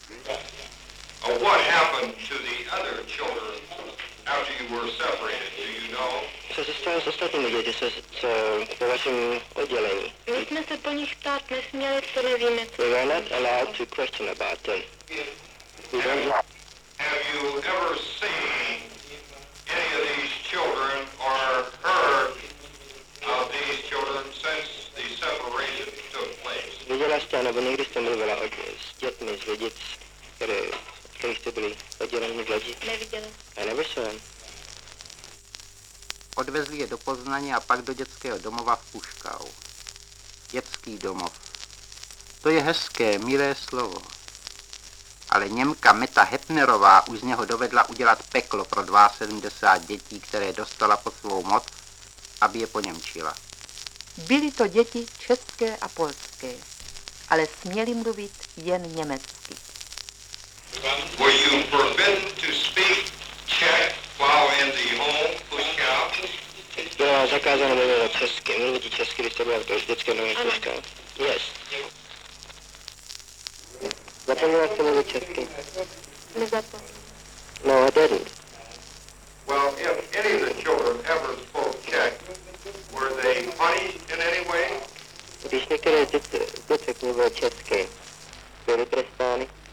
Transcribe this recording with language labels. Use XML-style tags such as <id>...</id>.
<en>What happened to the other children after you were separated, do you know?</en> <cs>Co se stalo s ostatními děti, co po vašem oddělení? My jsme se po nich ptát nesměli, to nevíme.</cs> <en>We were not allowed to question about them. Have you ever seen any of these children or heard of these children since the separation took place?</en> <cs>Viděla jste, nebo někdy jste mluvila s dětmi z Lidic, které jste byli odděleni v Lodži? Neviděla.</cs> <en>I never saw them.</en> <cs>Odvezli je do Poznaně a pak do dětského domova v Puškau. Dětský domov. To je hezké, milé slovo. Ale Němka Meta Heppnerová už z něho dovedla udělat peklo pro 72 dětí, které dostala pod svou moc, aby je poněmčila. Byly to děti české a polské, ale směly mluvit jen německy.</cs> <en>Were you forbidden to speak Czech while in the home, Puškau?</en> <cs>Byla zakázána mluvit česky. Mluvit česky, když to bylo to dětské nové Puškau.</cs> <en>Yes.</en> <cs>Zapomněla jste mluvit česky? Nezapomněla.</cs> <en>No, I didn't. Well, if any of the children ever spoke Czech, were they punished in any way?</en> <cs>Když některé děti mluvili česky, byly trestány?</cs>